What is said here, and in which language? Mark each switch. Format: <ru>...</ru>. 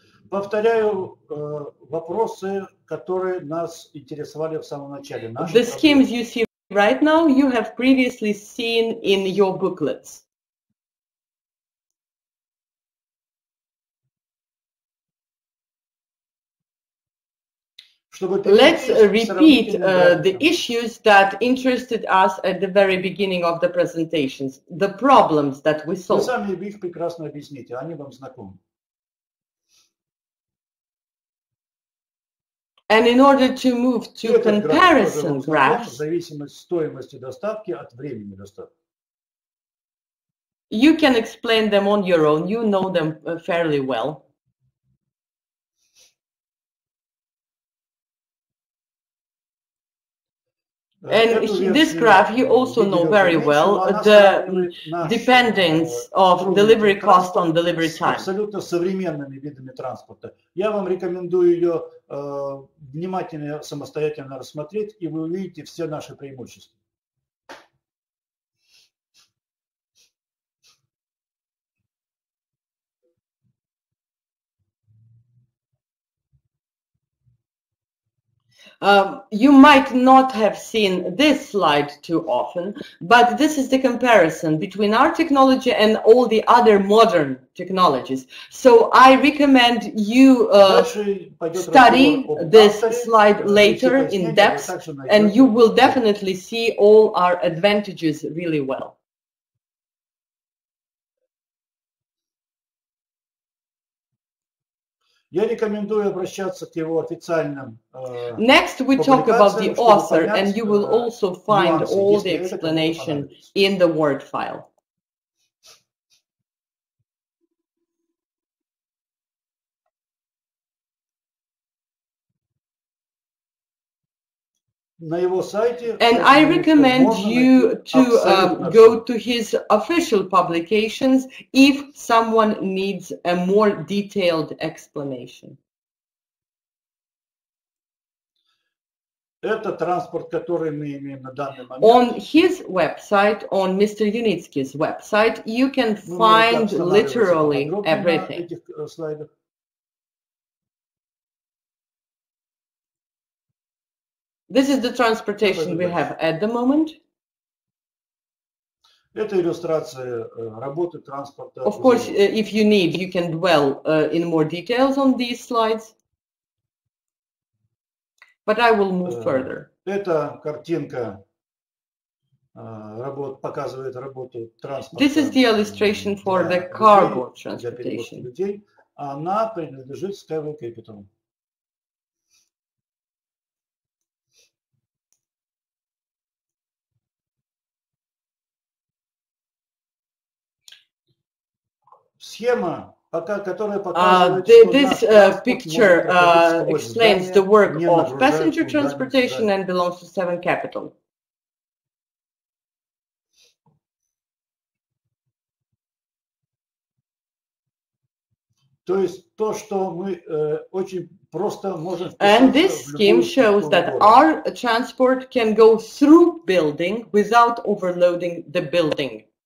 <ru>Повторяю вопросы, которые нас интересовали в самом начале.</ru> <en>The schemes you see right now, you have previously seen in your booklets. Let's repeat the issues that interested us at the very beginning of the presentations, the problems that we saw.</en> <ru>Вы сами их прекрасно объясните, они вам знакомы.</ru> <en>And in order to move to comparison graphs,</en> <ru>зависимость стоимости доставки от времени доставки.</ru> <en>You can explain them on your own, you know them fairly well. And this graph you also know very well, the dependence of delivery cost on delivery time.</en> <ru>Абсолютно современными видами транспорта. Я вам рекомендую ее внимательно самостоятельно рассмотреть, и вы увидите все наши преимущества.</ru> <en>You might not have seen this slide too often, but this is the comparison between our technology and all the other modern technologies. So I recommend you study this slide later in depth, and you will definitely see all our advantages really well.</en> <ru>Я рекомендую обращаться к его официальным</ru> <en>Next we talk about the author, and you will also find all the explanation in the Word file.</en> <ru>На его сайте</ru> <en>And I recommend you to go to his official publications if someone needs a more detailed explanation.</en> <ru>Это транспорт, который мы имеем на данный момент.</ru> <en>On his website, on Mr. Yunitsky's website, you can find literally everything. This is the transportation we have at the moment.</en> <ru>Это иллюстрация работы транспорта.</ru> <en>Of course, if you need, you can dwell in more details on these slides. But I will move further.</en> <ru>Это картинка Работ показывает работу транспорта</ru> <en>This is the illustration for the cargo transportation.</en> <ru>Для перевозки людей. Она принадлежит Skyway Capital. Схема, которая показывает, что</ru> <en>this picture explains the work of passenger transportation and belongs to Seven Capital.</en> <ru>То есть то, что мы очень просто можем.</ru> <en>And this scheme shows that our transport can go through building without overloading the building.</en>